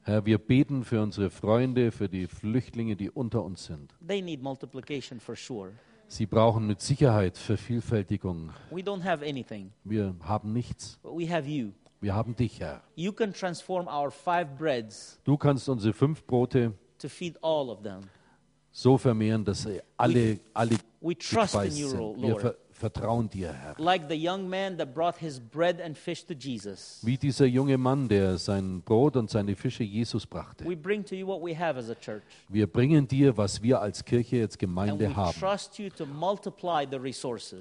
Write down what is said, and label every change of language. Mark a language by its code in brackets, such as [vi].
[de] Herr, wir beten für unsere Freunde, für die Flüchtlinge, die unter uns sind. [en] They need multiplication for sure. [de] Sie brauchen mit Sicherheit Vervielfältigung. [en] We don't have anything. [de] Wir haben nichts. [en] But we have you. [de] Wir haben dich, Herr. [en] You can transform our 5 breads. [de] Du kannst unsere 5 Brote [en] to feed all of them. [de] So vermehren, dass sie alle [en] we trust in you, Lord. [de] Wir vertrauen dir, Herr. [en] Like the young man that brought his bread and fish to Jesus. [de] Wie dieser junge Mann, der sein Brot und seine Fische Jesus brachte. [en] We bring to you what we have as a church. [de] Wir bringen dir, was wir als Kirche jetzt Gemeinde [en] and we [de] haben. [en] Trust you to multiply the resources.